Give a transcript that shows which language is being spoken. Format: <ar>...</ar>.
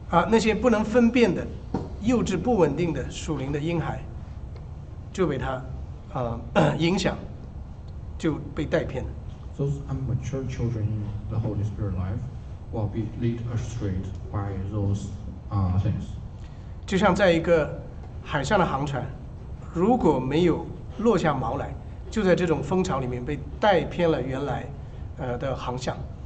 <zh>那些不能分辨的幼稚不稳定的属灵的婴孩就被他影响，就被带偏。</zh> <en>Those immature children in the Holy Spirit life will be led astray by those things.</en> <zh>就像在一个海上的航船，如果没有落下锚来，就在这种风潮里面被带偏了原来的航向。</zh>